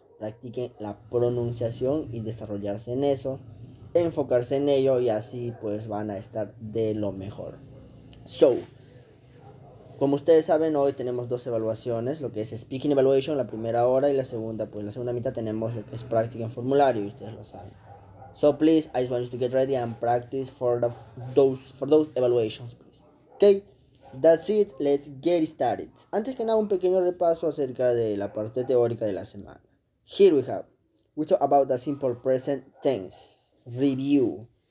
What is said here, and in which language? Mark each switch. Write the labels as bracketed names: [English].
[Spanish] Practiquen la pronunciación y desarrollarse en eso, enfocarse en ello y así pues van a estar de lo mejor. So, como ustedes saben, hoy tenemos dos evaluaciones, lo que es Speaking Evaluation, la primera hora, y la segunda, pues la segunda mitad tenemos lo que es práctica en formulario, y ustedes lo saben. [English] So please, I just want you to get ready and practice for those evaluations, please. Okay? That's it, let's get started. [Spanish] Antes que nada, un pequeño repaso acerca de la parte teórica de la semana. [English] Here we have, we talk about the simple present tense, review.